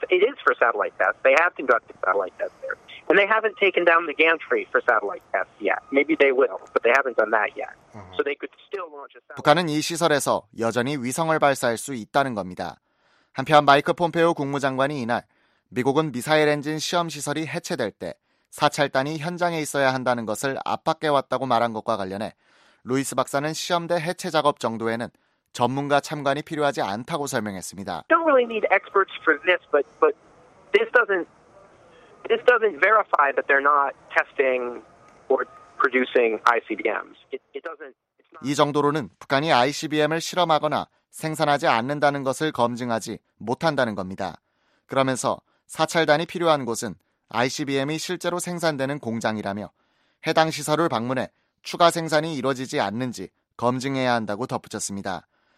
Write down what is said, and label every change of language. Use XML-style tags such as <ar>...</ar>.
<en>It is for satellite tests. They have conducted satellite tests there. And they haven't taken down the gantry for satellite tests yet. Maybe they will, but they haven't done that yet. So they could still launch a satellite.</en> <ko>북한은 이 시설에서 여전히 위성을 발사할 수 있다는 겁니다. 한편 마이크 폼페오 국무장관이 이날 미국은 미사일 엔진 시험 시설이 해체될 때 사찰단이 현장에 있어야 한다는 것을 압박해왔다고 말한 것과 관련해 루이스 박사는 시험대 해체 작업 정도에는 전문가 참관이 필요하지 않다고 설명했습니다.</ko> <en>Don't really need experts for this, but this doesn't verify that they're not testing or producing ICBMs. It doesn't.</en> <ko>이 정도로는 북한이 ICBM을 실험하거나 생산하지 않는다는 것을 검증하지 못한다는 겁니다. 그러면서 사찰단이 필요한 곳은 ICBM이 실제로 생산되는 공장이라며 해당 시설을 방문해 추가 생산이 이루어지지 않는지 검증해야 한다고 덧붙였습니다.</ko>